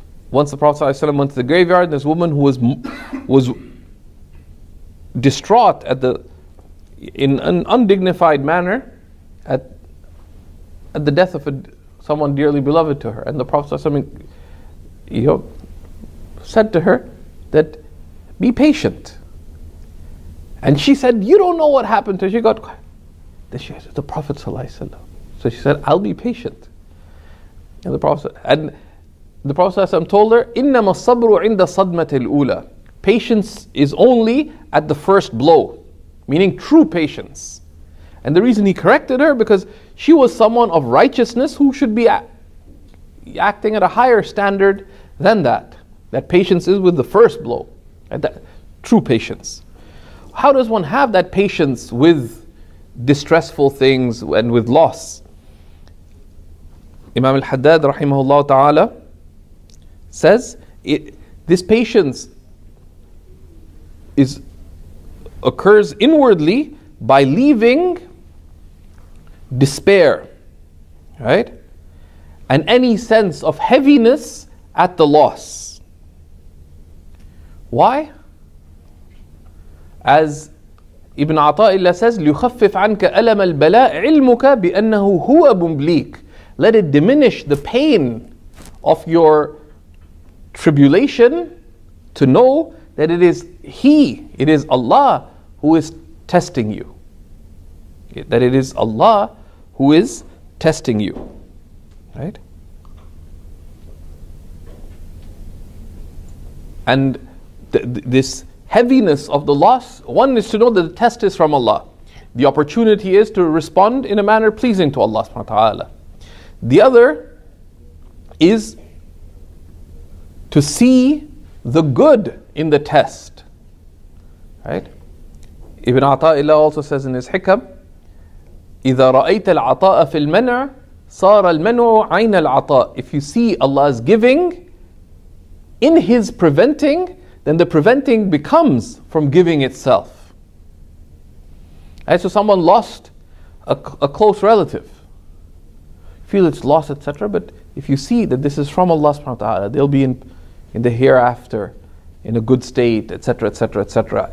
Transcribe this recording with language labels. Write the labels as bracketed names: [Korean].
[English] Once the Prophet ﷺ went to the graveyard, this woman who was distraught in an undignified manner at the death of someone dearly beloved to her. And the Prophet said to her that, be patient. And she said, you don't know what happened to her. She got quiet. Then she said, the Prophet ﷺ. So she said, I'll be patient. And the Prophet ﷺ, told her, [Arabic] إِنَّمَا الصَّبْرُ عِنْدَ صَدْمَةِ الْأُولَى. [English] Patience is only at the first blow, meaning true patience. And the reason he corrected her, because she was someone of righteousness who should be acting at a higher standard than that. That patience is with the first blow, that true patience. How does one have that patience with distressful things and with loss? Imam al-Haddad, rahimahullah ta'ala, says this patience occurs inwardly by leaving despair, right, and any sense of heaviness at the loss. Why? As Ibn Ata'illah says, [Arabic] لِيُخَفِّفْ عَنْكَ أَلَمَ الْبَلَاءِ عِلْمُكَ بِأَنَّهُ هُوَ مُبْلِيكَ. [English] Let it diminish the pain of your tribulation to know that it is Allah who is testing you. That it is Allah who is testing you. Right? And this heaviness of the loss, one is to know that the test is from Allah. The opportunity is to respond in a manner pleasing to Allah subhanahu wa ta'ala. The other is to see the good in the test. Right? Ibn Ata'illah also says in his Hikam, [Arabic] إِذَا رَأَيْتَ الْعَطَاءَ فِي الْمَنْعِ صَارَ الْمَنْعُ عَيْنَ الْعَطَاءِ. [English] If you see Allah's giving in His preventing, then the preventing becomes from giving itself. Right? So someone lost a close relative. Feel its loss, etc. But if you see that this is from Allah subhanahu wa ta'ala, they'll be in the hereafter, in a good state, etc., etc., etc.